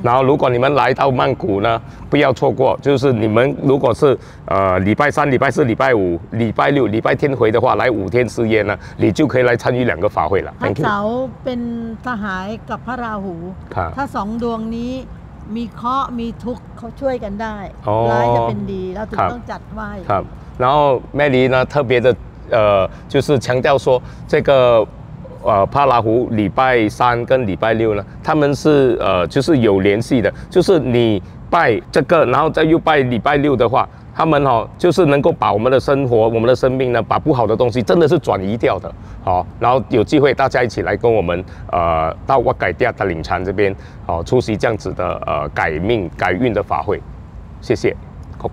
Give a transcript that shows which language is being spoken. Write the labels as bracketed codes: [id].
[zh] 然后如果你们来到曼谷呢不要错过就是你们如果是礼拜三礼拜四礼拜五礼拜六礼拜天回的话来五天四夜呢你就可以来参与两个法会了 [en] Thank you [th] เสาร์เป็นทหารกับพระราหู ครับ ถ้า2ดวงนี้ มีเคราะห์มีทุกข์เขาช่วยกันได้ ร้ายจะเป็นดีเราถึงต้องจัดไหว้ ครับแล้วแม่ลีนะ [zh] 特别的就是强调说这个帕拉胡礼拜三跟礼拜六呢他们是就是有联系的就是你拜这个然后再又拜礼拜六的话他们、哦、就是能够把我们的生活我们的生命呢把不好的东西真的是转移掉的、哦、然后有机会大家一起来跟我们到瓦改迪亚达岭禅这边、哦、出席这样子的改命改运的法会谢谢 谢谢